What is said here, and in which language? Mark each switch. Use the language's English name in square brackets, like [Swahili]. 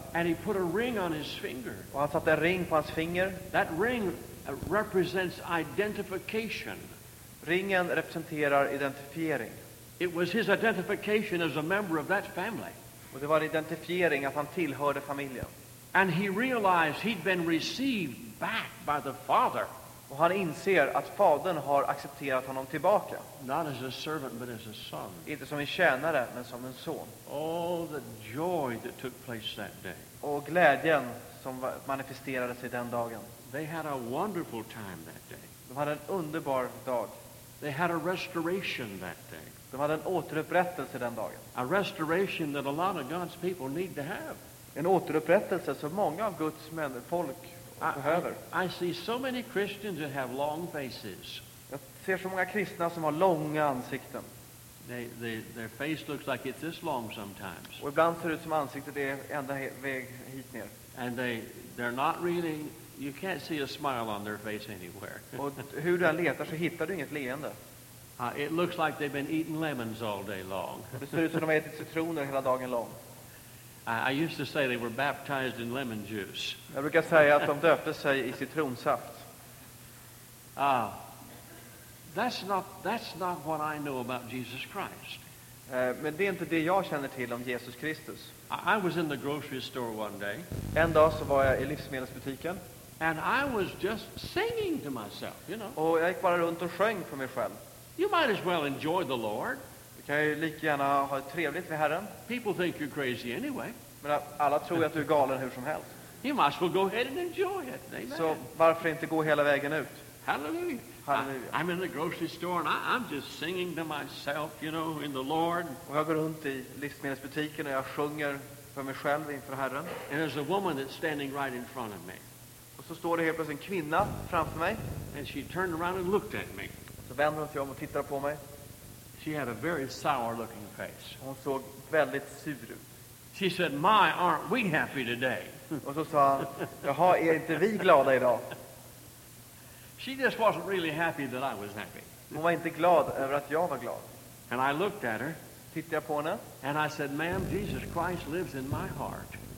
[English] And he put a ring on his finger. [Swedish] Och han satte en ring på hans finger. [English] That ring represents identification. [Swedish] Ringen representerar identifiering. [English] It was his identification as a member of that family. [Swedish] Och det var identifiering att han tillhörde familjen. [English] And he realized he'd been received back by the father. [Swedish] Och han inser att fadern har accepterat honom tillbaka. [English] Not as a servant, but as a son. [Swedish] Inte som en tjänare, men som en son. [English] All the joy that took place that day. [Swedish] Och glädjen som manifesterades i den dagen. [English] They had a wonderful time that day. [Swedish] De hade en underbar dag. [English] They had a restoration that day. [Swedish] De hade en återupprättelse den dagen. [English] A restoration that a lot of God's people need to have. [Swedish] En återupprättelse som många av Guds folk. [English] I see so many Christians that have long faces. [Swedish] Jag ser så många kristna som har långa ansikten. [English] Their face looks like it's this long sometimes. [Swedish] Och ibland ser det ut som ansiktet är ända väg hit ner. [English] And they're not really, you can't see a smile on their face anywhere. [Swedish] Och hur du än letar så hittar du inget leende. [English] It looks like they've been eating lemons all day long. [Swedish] Det ser ut som de har ätit citroner hela dagen lång. [English] I used to say they were baptized in lemon juice. [Swedish] Jag brukar säga att de döpte sig i citronsaft. [English] That's not what I know about Jesus Christ. [Swedish] Men det är inte det jag känner till om Jesus Kristus. [English] I was in the grocery store one day. [Swedish] En dag så var jag i livsmedelsbutiken. [English] And I was just singing to myself, you know. [Swedish] Och jag gick bara runt och sjöng för mig själv. [English] You might as well enjoy the Lord. [Swedish] Du kan ju lika gärna ha trevligt med Herren. [English] People think you're crazy anyway. [Swedish] Men alla tror ju att du är galen hur som helst. [English] You might as well go ahead and enjoy it. Amen. [Swedish] Så varför inte gå hela vägen ut? [English] Hallelujah. [Swedish] Hallelujah. [English] I'm in the grocery store and I'm just singing to myself, you know, in the Lord. [Swedish] Och jag går runt i livsmedelsbutiken och jag sjunger för mig själv inför Herren. [English] And there's a woman that's standing right in front of me. [Swedish] Och så står det helt plötsligt en kvinna framför mig. [English] And she turned around and looked at me. [Swedish] Så vänder hon sig om och tittar på mig. [English] She had a very sour looking face. [Swedish] Hon såg väldigt sur ut. [English] She said, "My, aren't we happy today?" [Swedish] Och så sa hon, "Jaha, är inte vi glada idag?" [English] She just wasn't really happy that I was happy. [Swedish] Hon var inte glad över att jag var glad. [English] And I looked at her. [Swedish] Tittade jag på henne. [English] And I said, "Ma'am, Jesus Christ lives in my heart."